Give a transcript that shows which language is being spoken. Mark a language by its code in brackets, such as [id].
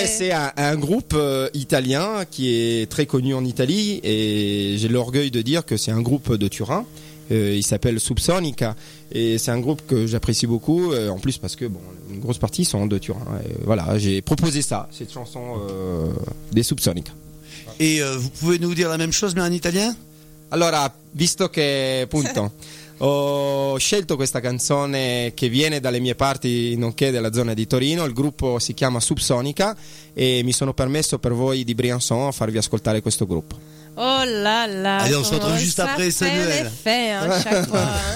[fr] C'est un groupe italien qui est très connu en Italie et j'ai l'orgueil de dire que c'est un groupe de Turin. Il s'appelle Subsonica et c'est un groupe que j'apprécie beaucoup en plus parce que bon, une grosse partie sont de Turin. Et voilà, j'ai proposé ça, cette chanson des Subsonica. Et vous pouvez nous dire la même chose mais en italien? [it] Allora, visto che punto. Ho scelto questa canzone che viene dalle mie parti, nonché dalla zona di Torino. Il gruppo si chiama Subsonica e mi sono permesso per voi di Briançon a farvi ascoltare questo gruppo. [fr] Oh là là! Allora, on se retrouve juste après, Samuel. Ça fait l'effet à chaque fois.